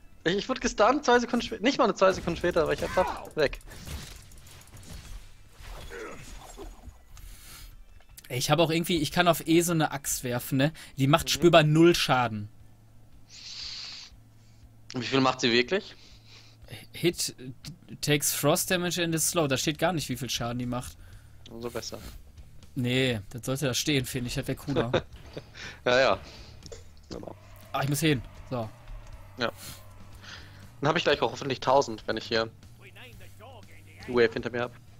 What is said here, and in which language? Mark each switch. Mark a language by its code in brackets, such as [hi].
[de] Ich wurde gestunt, 2 Sekunden später. Nicht mal eine 2 Sekunden später, aber ich hab weg. Ey, ich habe auch irgendwie, ich kann auf E so eine Axt werfen, ne? Die macht spürbar null Schaden. Wie viel macht sie wirklich? [en] Hit takes frost damage and is slow. [de] Da steht gar nicht, wie viel Schaden die macht. Umso besser. Nee, das sollte da stehen, finde ich. Das wäre cooler. Ja, ja. Genau. Ah, ich muss hin. So. Ja. Dann habe ich gleich auch hoffentlich 1000, wenn ich hier die Wave hinter mir habe.